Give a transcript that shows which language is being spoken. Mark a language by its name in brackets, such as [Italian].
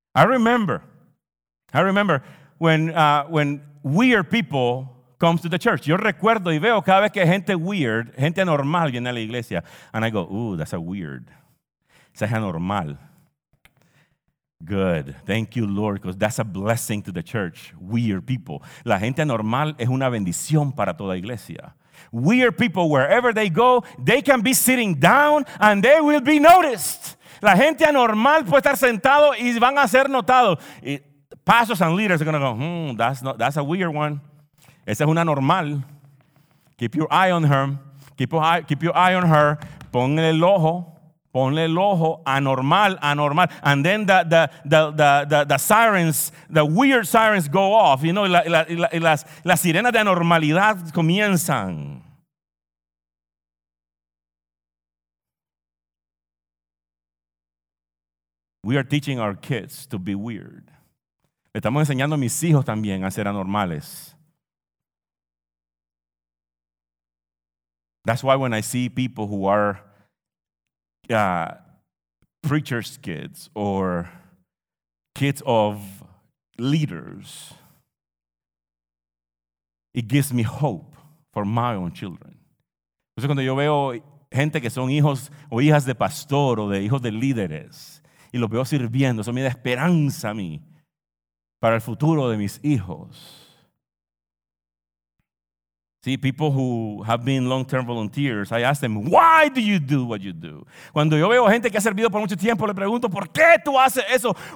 [English] I remember when weird people comes to the church. [Spanish] Yo recuerdo y veo cada vez que gente weird, gente anormal viene a la iglesia. [English] And I go, ooh, that's a weird. [Spanish] Esa es anormal. [English] Good. Thank you, Lord, because that's a blessing to the church. Weird people. [Spanish] La gente anormal es una bendición para toda iglesia. [English] Weird people, wherever they go, they can be sitting down and they will be noticed. [Spanish] La gente anormal puede estar sentado y van a ser notados. [English] Pastors and leaders are going to go, that's a weird one. [Spanish] Esa es una normal. [English] Keep your eye on her. Keep your eye on her. [Spanish] Ponle el ojo. [English] Anormal. And then the sirens, the weird sirens go off. [Spanish] You know, las sirenas de anormalidad comienzan. [English] We are teaching our kids to be weird. [Spanish] Estamos enseñando a mis hijos también a ser anormales. [English] That's why when I see people who are preachers' kids or kids of leaders, it gives me hope for my own children. [Spanish] Entonces, cuando yo veo gente que son hijos o hijas de pastor o de hijos de líderes, y los veo sirviendo, eso me da esperanza a mí para el futuro de mis hijos. [English] See, people who have been long-term volunteers, I ask them, why do you do what you do? [Spanish] Cuando yo veo gente que ha servido por mucho tiempo, le pregunto, ¿por qué tú haces eso?